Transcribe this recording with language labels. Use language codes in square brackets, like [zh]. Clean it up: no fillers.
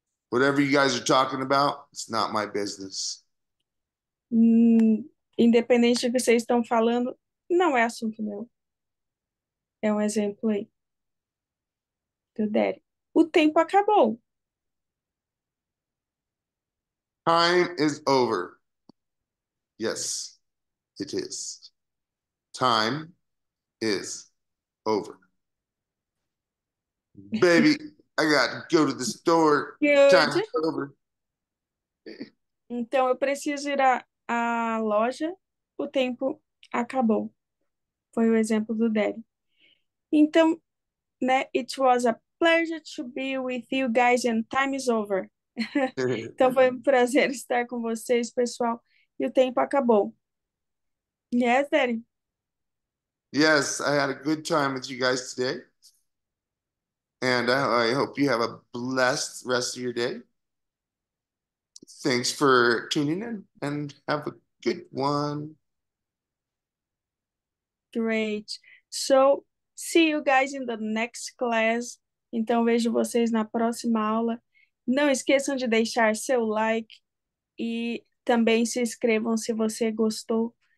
[en] Whatever you guys are talking about, it's not my business. [pt] Independente do que vocês estão falando, não é assunto meu. É um exemplo aí. Do Derek. O tempo acabou. [en] Time is over. Yes, it is. Time is over. Baby, I gotta go to the store. Time is Good. over. [pt] Então, eu preciso ir à loja. O tempo acabou. Foi o exemplo do Derek. Então, né? [en] It was a pleasure to be with you guys and time is over. [pt] Então, foi um prazer estar com vocês, pessoal. E o tempo acabou. [en] Yes, Derek? Yes, I had a good time with you guys today. And I hope you have a blessed rest of your day. Thanks for tuning in and have a good one. Great. So, see you guys in the next class. [pt] Então, vejo vocês na próxima aula. Não esqueçam de deixar seu like e também se inscrevam se você gostou.